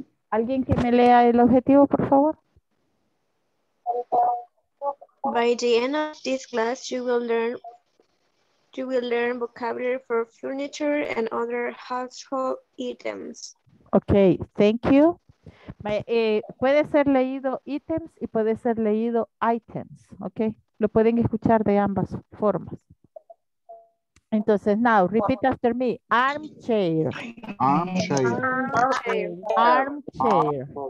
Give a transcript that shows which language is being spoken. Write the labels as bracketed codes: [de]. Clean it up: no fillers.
[es] ¿Alguien que me lea el objetivo, por favor? [en] By the end of this class, you will learn vocabulary for furniture and other household items. Okay, thank you. [es] Puede ser leído items y puede ser leído items, okay? Lo pueden escuchar de ambas formas. Entonces, [en] now, repeat after me. Armchair. Armchair. Armchair.